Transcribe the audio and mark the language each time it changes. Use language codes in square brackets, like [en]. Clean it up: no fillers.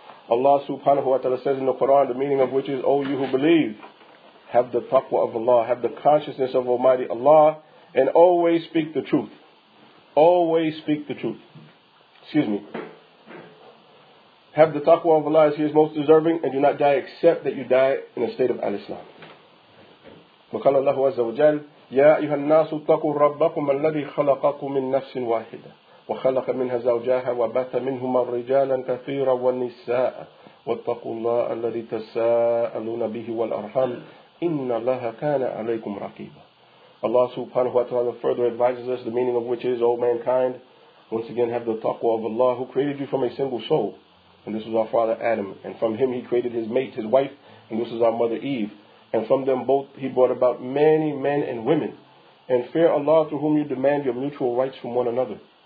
[en] Allah subhanahu wa ta'ala says in the Quran, the meaning of which is, O you who believe, have the taqwa of Allah, have the consciousness of Almighty Allah, and always speak the truth. Always speak the truth. Excuse me. Have the taqwa of Allah as He is most deserving, and do not die except that you die in a state of al-Islam. [ar] وقال الله عز وجل يا أيها الناس اتقوا ربكم الذي خلقكم من نفس واحدة وخلق منها زوجها وبث منهما رجالا كثيرا والنساء واتقوا الله الذي تساءلون به والأرحام إن الله كان عليكم رقيبا. [en] Allah subhanahu wa ta'ala further advises us, the meaning of which is, O mankind, once again have the taqwa of Allah who created you from a single soul. And this was our father Adam. And from him he created his mate, his wife. And this is our mother Eve. And from them both he brought about many men and women. And fear Allah through whom you demand your mutual rights from one another.